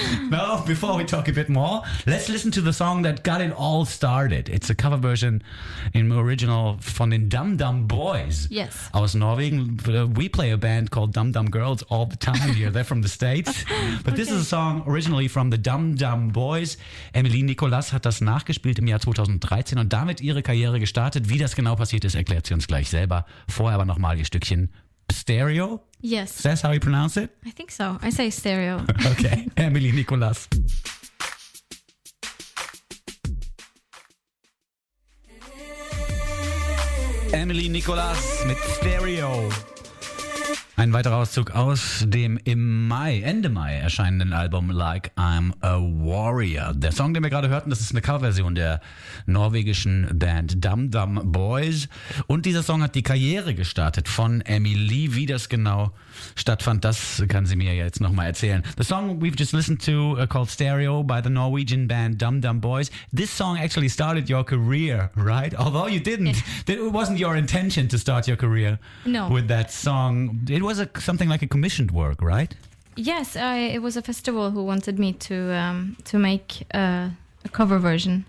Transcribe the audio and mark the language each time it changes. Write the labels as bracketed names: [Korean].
[English] Well, before we talk a bit more, let's listen to the song that got it all started. It's a cover version in original from the Dum Dum Boys. Yes. I was Norwegian. We play a band called Dum Dum Girls all the time here. They're from the States. But this is a song originally from the Dum Dum Boys. [German] Emily Nicolas hat das nachgespielt im Jahr 2013 und damit ihre Karriere gestartet. Wie das genau passiert ist, erklärt sie uns gleich selber. Vorher aber nochmal ihr Stückchen Stereo. [English] Yes. Is that how you pronounce it? I think so. I say stereo. Okay. Emily Nicolas. [German] Emily Nicolas mit Stereo. Ein weiterer Auszug aus dem im Mai, Ende Mai erscheinenden Album Like I'm a Warrior. Der Song, den wir gerade hörten, das ist eine Coverversion der norwegischen Band Dum Dum Boys. Und dieser Song hat die Karriere gestartet von Emily. Wie das genau stattfand, das kann sie mir jetzt nochmal erzählen. [English] The song we've just listened to called Stereo by the Norwegian band Dum Dum Boys. This song actually started your career, right? Although you didn't. It wasn't your intention to start your career with that song. It was something like a commissioned work, right? Yes, it was a festival who wanted me to make a cover version.